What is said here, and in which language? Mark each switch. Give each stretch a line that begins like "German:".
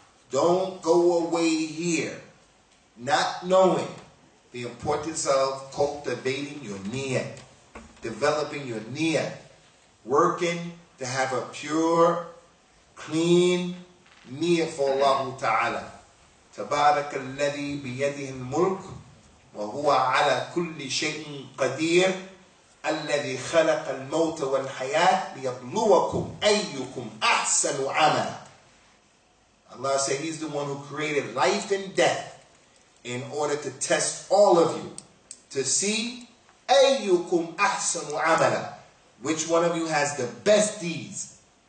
English: Don't go away here not knowing the importance of cultivating your niyyah, developing your niyyah, working to have a pure, clean niyyah for Allah Ta'ala.
Arabic: تبارك الذي بيده الملك وهو على كل شيء قدير الذي خلق الموت والحياة ليبلوكم أيكم أحسن عملا.
English: Allah said, He's the one who created life and death in order to test all of you to see
Arabic: أيكم أحسن عملا,
English: which one of you has the best deeds.